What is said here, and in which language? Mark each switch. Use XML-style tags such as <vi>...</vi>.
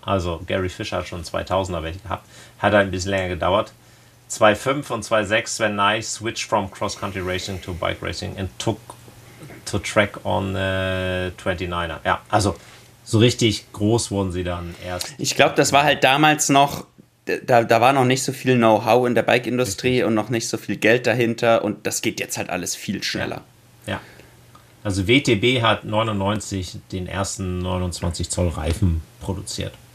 <de>Also Gary Fischer hat schon 2000er welche gehabt, hat ein bisschen länger gedauert.</de> <en>2005 und 2006, when I switched from cross-country racing to bike racing and took to track on 29er.</en> <de>Ja, also so richtig groß wurden sie dann erst. Ich glaube, das war halt damals noch, da war noch nicht so viel Know-how in der Bike-Industrie und noch nicht so viel Geld dahinter und das geht jetzt halt alles viel schneller. Ja, ja. Also WTB hat 99 den ersten 29 Zoll Reifen produziert.</de>